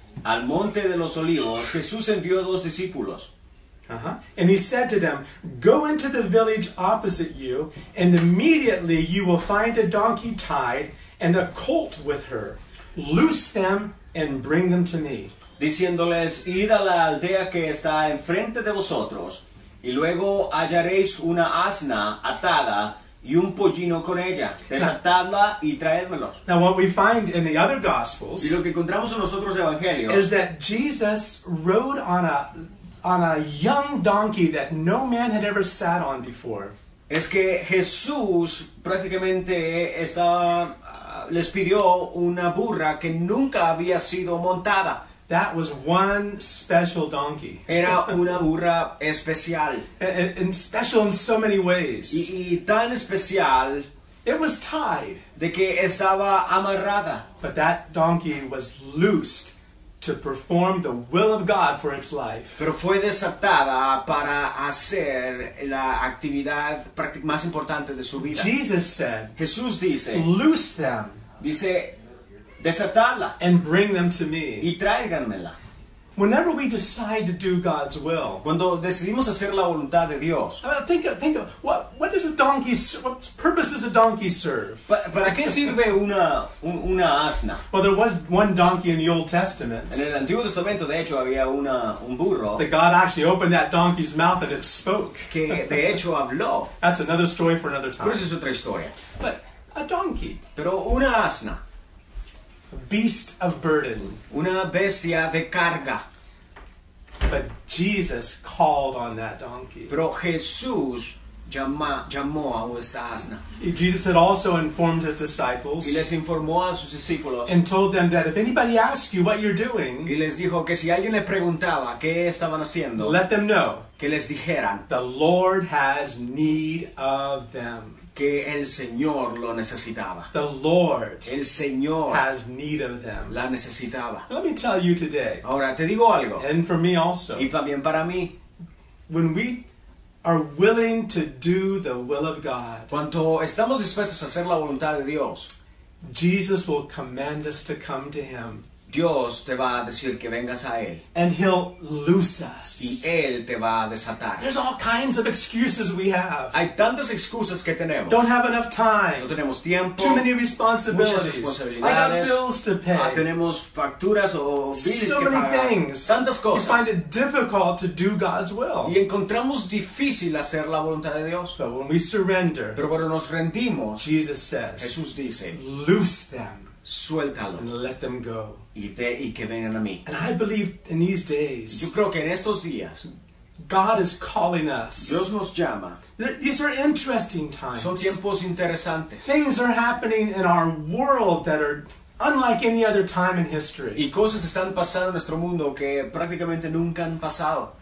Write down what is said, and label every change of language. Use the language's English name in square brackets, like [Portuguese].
[Spanish] al monte de los olivos, Jesús envió a dos discípulos. [English] And he said to them, go into the village opposite you, and immediately you will find a donkey tied and a colt with her. Loose them and bring them to me. [Spanish] Diciéndoles, id a la aldea que está enfrente de vosotros, y luego hallaréis una asna atada y un pollino con ella. Desatadla y traédmelos. [English] Now what we find in the other Gospels, [Spanish] y lo que encontramos en los otros evangelios, [English] is that Jesus rode on a young donkey that no man had ever sat on before. [Spanish] Es que Jesús prácticamente les pidió una burra que nunca había sido montada. [English] That was one special donkey. [Spanish] Era una burra especial. [English] And special in so many ways. [Spanish] Y tan especial. [English] It was tied. [Spanish] De que estaba amarrada. [English] But that donkey was loosed to perform the will of God for its life. [Spanish] Pero fue desatada para hacer la actividad más importante de su vida. [English] Jesus said, [Spanish] Jesús dice, [English] loose them. [Spanish] Dice, desatadla. [English] And bring them to me. [Spanish] Y tráiganmela. [English] Whenever we decide to do God's will, [Spanish] cuando decidimos hacer la voluntad de Dios, [English] think of what does a donkey, what purpose does a donkey serve? [Spanish] ¿Para qué sirve una asna? [English] Well, there was one donkey in the Old Testament. [Spanish] En el Antiguo Testamento, de hecho, había un burro. [English] That God actually opened that donkey's mouth and it spoke. [Spanish] Que de hecho habló. [English] That's another story for another time. [Spanish] Pero esa es otra historia. [English] But a donkey. [Spanish] Pero una asna. [English] Beast of burden. [Spanish] Una bestia de carga. [English] But Jesus called on that donkey. [Spanish] Pero Jesús llamó a esta asna. [English] Jesus had also informed his disciples. [Spanish] Y les informó a sus discípulos. [English] And told them that if anybody asks you what you're doing. [Spanish] Y les dijo que si alguien le preguntaba qué estaban haciendo. [English] Let them know. [Spanish] Que les dijeran. [English] The Lord has need of them. [Spanish] Que el Señor lo necesitaba. [English] The Lord, [Spanish] el Señor, [English] has need of them. [Spanish] La necesitaba. [English] Let me tell you today. [Spanish] Ahora te digo algo. [English] And for me also. [Spanish] Y también para mí. [English] When we are willing to do the will of God. [Spanish] Cuando estamos dispuestos a hacer la voluntad de Dios. [English] Jesus will command us to come to Him. [Spanish] Dios te va a decir que vengas a Él. [English] And He'll loose us. [Spanish] Y Él te va a desatar. [English] There's all kinds of excuses we have. [Spanish] Hay tantas excusas que tenemos. [English] Don't have enough time. [Spanish] No tenemos tiempo. [English] Too many responsibilities. [Spanish] Muchas responsabilidades. [English] I got bills to pay. [Spanish] Tenemos facturas o bills [English] so [Spanish] que [English] many [Spanish] pagar. [English] Things. [Spanish] Tantas cosas. [English] We find it difficult to do God's will. [Spanish] Y encontramos difícil hacer la voluntad de Dios. [English] But when we surrender. [Spanish] Pero cuando nos rendimos. [English] Jesus says. [Spanish] Jesús dice. [English] Loose them. [Spanish] Suéltalo. [English] And let them go. [Spanish] Y que vengan a mí. [English] And I believe in these days. [Spanish] Yo creo que en estos días. [English] God is calling us. [Spanish] Dios nos llama. [English] These are interesting times. [Spanish] Son tiempos interesantes. [English] Things are happening in our world that are unlike any other time in history. [Spanish] Y cosas están pasando en nuestro mundo que prácticamente nunca han pasado.